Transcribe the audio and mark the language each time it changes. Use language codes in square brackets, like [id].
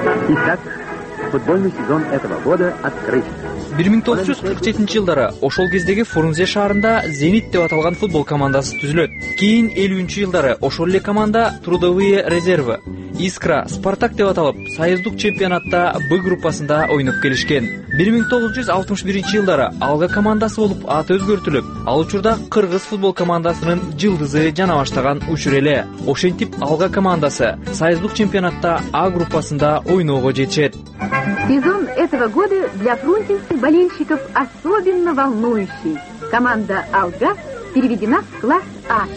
[ru] Итак, футбольный сезон этого года открыт. [ky] 1947 жылдары ошол кездеги Фрунзе шаарында Зенит деп аталган футбол командасы түзүлөт. Кийин 53 жылдары ошол эле команда трудовые резервы, Искра, Спартак деп аталып, союздук чемпионатта Б группасында ойноп келишкен. 1961 жылдары Алга командасы болуп аты өзгөртүлүп, ал учурда кыргыз футбол командасынын жылдызы жана баштаган учур эле. Ошентип Алга командасы союздук чемпионатта А группасында ойногого жетишет. [ru] Сезон этого года для фрунзенских болельщиков особенно волнующий. Команда «Алга» переведена в класс «А».